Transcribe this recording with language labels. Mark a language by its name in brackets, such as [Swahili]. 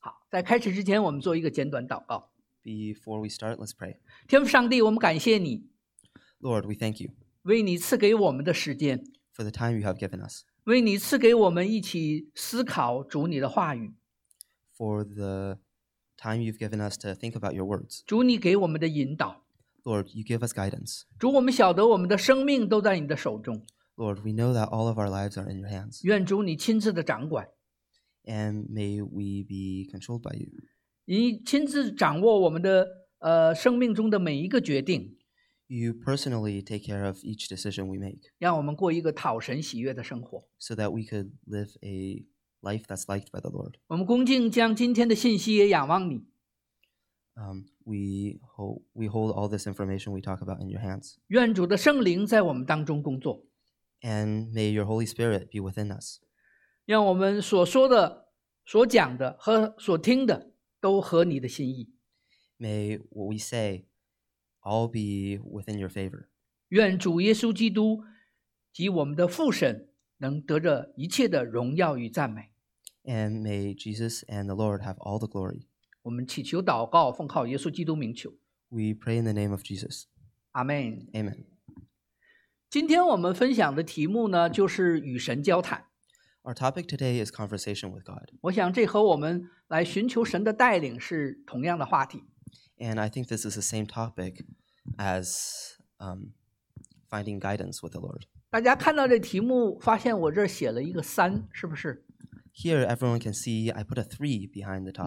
[Chinese] 好，在开始之前，我们做一个简短祷告。 [English] Before we start, let's pray. [Chinese] 天父上帝，我们感谢你。 [English] Lord, we thank you. [Chinese] 为你赐给我们的时间。 [English] For the time you have given us. [Chinese] 为你赐给我们一起思考主你的话语。 [English] For the time you've given us to think about your words. [Chinese] 主你给我们的引导。 [English] Lord, you give us guidance. [Chinese] 主，我们晓得我们的生命都在你的手中。 [English] Lord, we know that all of our lives are in your hands. [Chinese] 愿主你亲自的掌管。 [English] And may we be controlled by you. [Chinese] 你亲自掌握我们的生命中的每一个决定。 [English] You personally take care of each decision we make. [Chinese] 让我们过一个讨神喜悦的生活。 [English] So that we could live a life that's liked by the Lord. [Chinese] 我们恭敬将今天的信息也仰望你。 [English] We hold all this information we talk about in your hands. [Chinese] 愿主的圣灵在我们当中工作。 [English] And may your Holy Spirit be within us. [Chinese] 让我们所说的、所讲的和所听的都合你的心意。 [English] May what we say all be within your favor. [Chinese] 愿主耶稣基督及我们的父神能得着一切的荣耀与赞美。 [English] And may Jesus and the Lord have all the glory. [Chinese] 我们祈求祷告，奉靠耶稣基督名求。 [English] We pray in the name of Jesus. Amen. Amen. [Chinese] 今天我们分享的题目呢，就是与神交谈。 [English] Our topic today is conversation with God. [Chinese] 我想这和我们来寻求神的带领是同样的话题。 [English] And I think this is the same topic as finding guidance with the Lord. [Chinese] 大家看到这题目，发现我这写了一个三，是不是？ [English] Here, everyone can see I put a three behind the topic.